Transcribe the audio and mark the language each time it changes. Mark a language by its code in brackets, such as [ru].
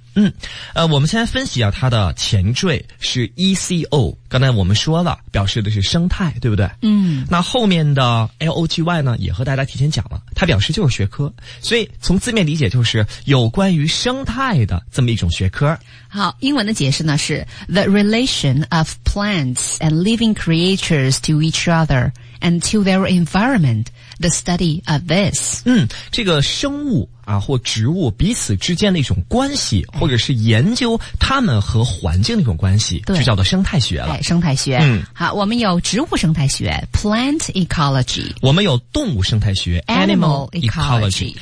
[zh] 嗯，我们先来分析一下它的前缀是 ECO， 刚才我们说了表示的是生态，对不对？嗯，那后面的 LOGY 呢也和大家提前讲了，它表示就是学科，所以从字面理解就是有关于生态的这么一种学科。好，英文的解释呢是 [en] The relation of plants and living creatures to each other and to their environment, the study of this。 [zh] 嗯，这个生物啊或植物彼此之间的一种关系，或者是研究它们和环境的一种关系，就叫做生态学了。对，生态学。嗯，好，我们有植物生态学 plant ecology，我们有动物生态学 [en] animal ecology，